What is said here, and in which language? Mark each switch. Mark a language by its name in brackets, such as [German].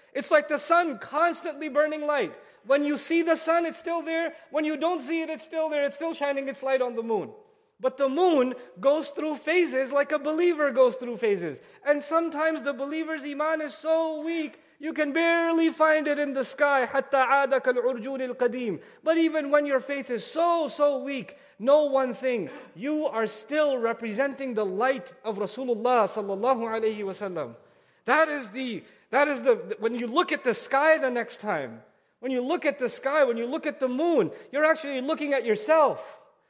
[English] It's like the sun constantly burning light. When you see the sun, it's still there. When you don't see it, it's still there. It's still shining its light on the moon. But the moon goes through phases like a believer goes through phases. And sometimes the believer's iman is so weak, you can barely find it in the sky. [Arabic] حتى عاد كالعرجون القديم. [English] But even when your faith is so, so weak, know one thing, you are still representing the light of Rasulullah sallallahu alayhi wa sallam. That is the, when you look at the sky the next time, when you look at the sky, when you look at the moon, you're actually looking at yourself.